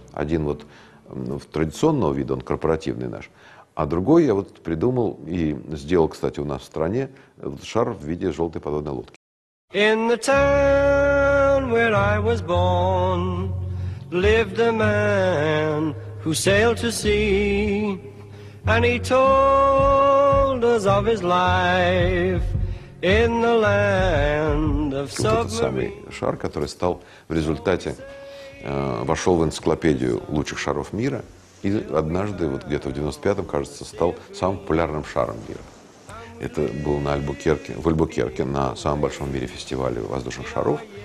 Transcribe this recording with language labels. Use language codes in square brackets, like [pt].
[ru] Один вот в традиционного вида, он корпоративный наш. А другой я вот придумал и сделал, кстати, у нас в стране шар в виде желтой подводной лодки. [en] In the town where I was born lived a man who sailed to sea. And he told us of his life in the land of submarine. [ru] Вот этот самый шар, который стал в результате, вошел в энциклопедию лучших шаров мира. И однажды, вот где-то в 95-м, кажется, стал самым популярным шаром мира. Это был на Альбукерке, в Альбукерке, на самом большом в мире фестивале воздушных шаров.